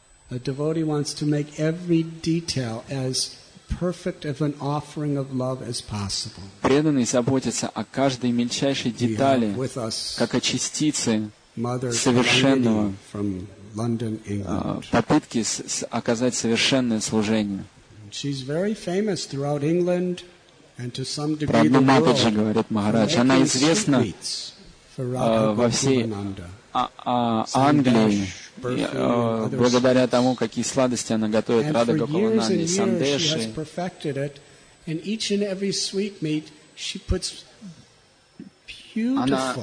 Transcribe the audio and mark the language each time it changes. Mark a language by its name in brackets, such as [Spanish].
[English] A devotee wants to make every detail as perfect of an offering of love as possible. [Russian] Преданный заботится о каждой мельчайшей детали, как о частице совершенного, [English] from London, England. [Russian] Попытки оказать совершенное служение. [English] She's very famous throughout England and to some degree the world. [Russian] Прабху Матаджи, говорит Махарадж, она известна во всей Англии, благодаря тому, какие сладости она готовит, Радхака Пхавананде, сандеши. Она